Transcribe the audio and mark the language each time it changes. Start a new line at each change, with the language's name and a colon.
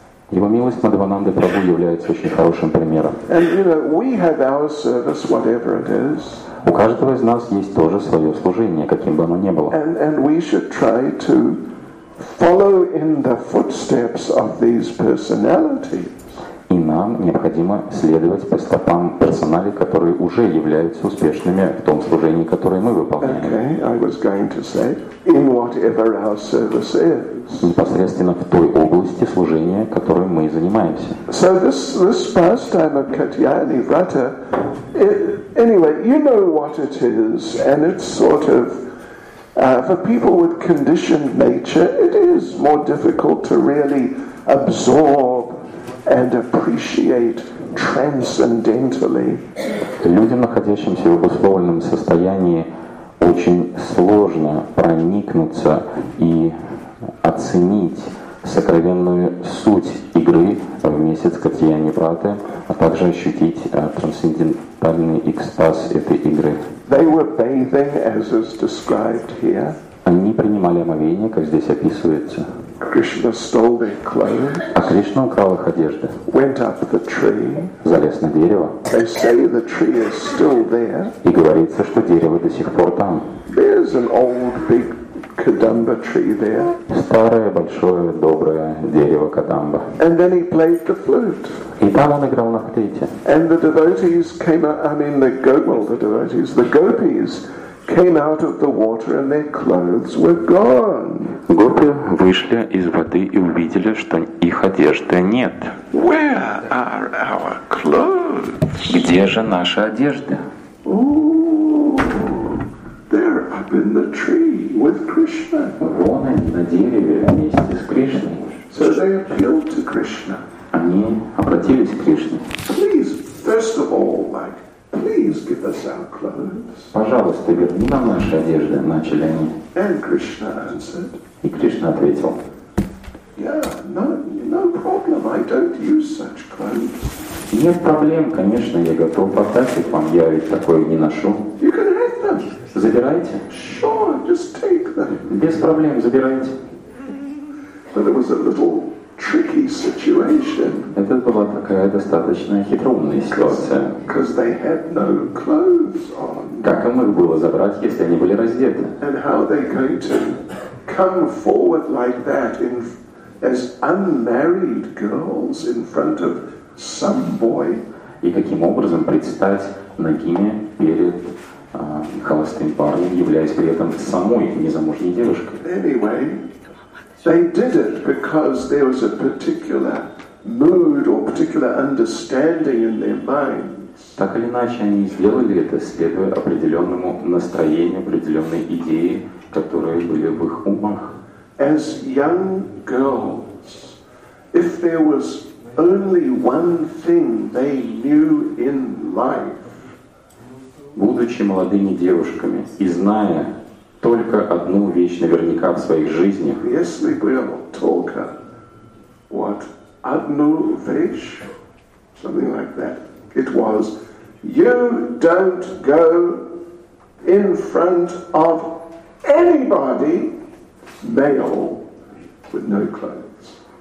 Russian: Его милость Мадхавананда Прабху является очень хорошим примером.
English: And you know, we have our service, whatever it is.
Russian: У каждого из нас есть тоже свое служение, каким бы оно ни было.
English: And we should try to follow in the footsteps of these personalities.
Russian: И нам необходимо следовать по стопам персоналей, которые уже являются успешными в том служении, которое мы выполняем.
English: Okay, I was going to say, in whatever our service is.
Russian: Непосредственно в той области служения, которой мы занимаемся.
English: So this pastime of Katyayani Vrata, anyway, you know what it is, and it's sort of, for people with conditioned nature, it is more difficult to really absorb and appreciate transcendentally.
Russian: Людям, находящимся в обусловленном состоянии, очень сложно проникнуться и оценить сокровенную суть игры в месяц Катьяни Праты, а также ощутить трансцендентальный экстаз этой игры.
English: They were bathing, as is described here.
Russian: Они принимали омовение, как здесь описывается.
English: Krishna stole their clothes.
Russian: А Кришна украл их одежды.
English: Went up the tree.
Russian: Залез на дерево.
English: They say the tree is still there.
Russian: И говорится, что дерево до сих пор там.
English: There's an old big kadamba tree there.
Russian: Старое большое доброе дерево кадамба.
English: And then he played the flute.
Russian: И там он играл на флейте.
English: And the devotees came out. I mean, the gopis. Came out of the water and their clothes were gone.
Russian: Гопи вышли из воды и увидели, что их одежды нет.
English: Where are our clothes?
Russian: Где же наши одежды?
English: Oh, they're up in the tree with Krishna.
Russian: Вон они на дереве вместе с Кришной.
English: So they appealed to Krishna.
Russian: Они обратились к Кришне.
English: Please, first of all, like. Please give us our clothes.
Russian: Пожалуйста, верни нам наши одежды, начали они.
English: And Krishna answered.
Russian: И Кришна ответил.
English: Yeah, no problem. I don't use such clothes.
Russian: Нет проблем, конечно, я готов потратить вам, я ведь такое не ношу.
English: You can have them.
Russian: Забирайте.
English: Sure, just take them.
Russian: Без проблем, забирайте.
English: But it was a little tricky situation.
Russian: Это была такая достаточно хитроумная ситуация.
English: Because they had no clothes on.
Russian: Как им их было забрать, если они были раздеты?
English: And how are they going to come forward like that in as unmarried girls in front of some boy?
Russian: И каким образом предстать нагими перед холостым парнем, являясь при этом самой незамужней девушкой?
English: Anyway. They did it because there was a particular mood or particular understanding in their minds.
Russian: Так или иначе, они сделали это, следуя определенному настроению, определенной идее, которые были в их умах.
English: As young girls, if there was only one thing they knew in life,
Russian: будучи молодыми девушками и зная только одну вещь наверняка в своих жизнях. Если бы я мог только вот одну вещь,
English: something like that, it was, you don't go in front of anybody, male, with no clothes.